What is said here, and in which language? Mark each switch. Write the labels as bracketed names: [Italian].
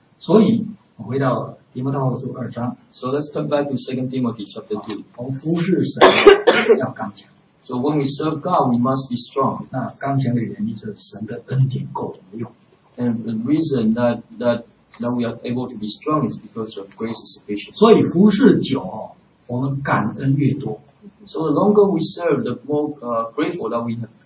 [Chinese] 所以回到提摩太后书二章。 [English] So let's turn back to 2 Timothy chapter 2. [Chinese] 我们服事神要刚强。 [English] So when we serve God, we must be strong. [Chinese] 那刚强的原因是神的恩典够我们用。 [English] And the reason that we are able to be strong is because of grace is sufficient. [Chinese] 所以服事久，我们感恩越多。 [English] So the longer we serve, the more grateful that we have.